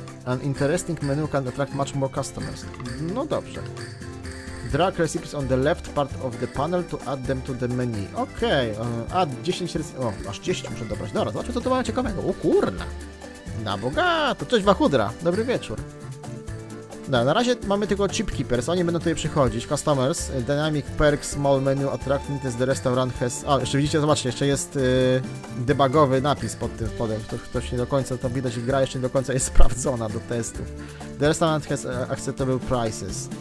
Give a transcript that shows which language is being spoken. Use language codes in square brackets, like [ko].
[en] An interesting menu can attract much more customers. [pl] No dobrze. [en] Drag recipes on the left part of the panel to add them to the menu. [pl] Okej, okay. [en] Add 10 recipes. [pl] O, aż 10 muszę dobrać. Dobra, zobaczmy co tu mamy ciekawego. O kurna. Na bogato. Cześć Wachudra. Dobry wieczór. No, na razie mamy tylko chip keepers, oni będą tutaj przychodzić. [en] Customers, dynamic perk, small menu, attractiveness, the restaurant has... [pl] O, jeszcze widzicie, zobaczcie, jeszcze jest debugowy napis pod tym spodem. Ktoś nie do końca, to widać, gra jeszcze nie do końca jest sprawdzona do testów. [en] The restaurant has acceptable prices.